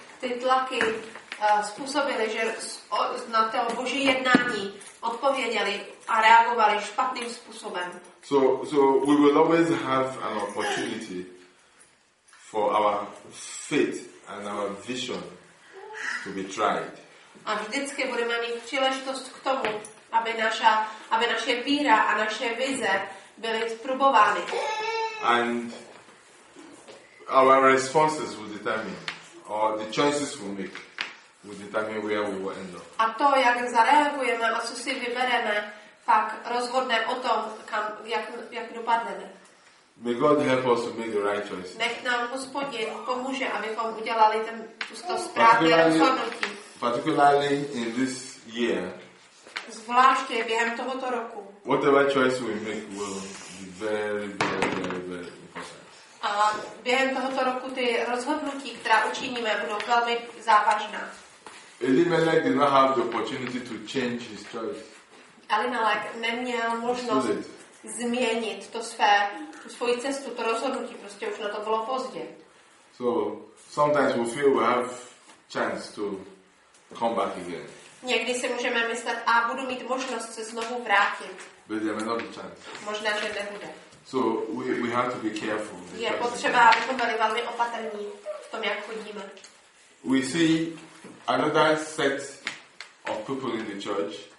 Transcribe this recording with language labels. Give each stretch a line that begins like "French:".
Czech: Ty tlaky způsobily, že na to Boží jednání odpověděli a reagovali špatným způsobem.
English: So we will always have an opportunity for our faith and our vision to be tried.
Czech: A vždycky budeme mít příležitost k tomu, aby naše víra a naše vize byly zprobovány.
English: And our responses will determine, or the choices we make will determine where we will end up.
Czech: A to, jak zareagujeme a co si vybereme, pak rozhodne o tom, jak dopadneme.
English: May God help us to make the right choices.
Czech: Nech nám Hospodin pomůže, abychom udělali ten to správné rozhodnutí.
English: Particularly in this year.
Czech: Zvláště během tohoto roku.
English: Whatever choice we make will be very, very, very, very important.
Czech: A během tohoto roku ty rozhodnutí, která učiníme, budou velmi závažná.
English: Elimelech did not have the opportunity to change his choice.
Czech: Elimelech neměl možnost změnit svoji cestu, to rozhodnutí, prostě už na to bylo pozdě.
English: So sometimes we feel we have chance to come back again.
Czech: Někdy si můžeme myslet, a budu mít možnost se znovu vrátit.
English: But there may not be chance.
Czech: Možná, že nebude.
English: So we have to be careful.
Czech: Je potřeba, abychom byli velmi opatrní v tom, jak chodíme.
English: We see another set of people in the church.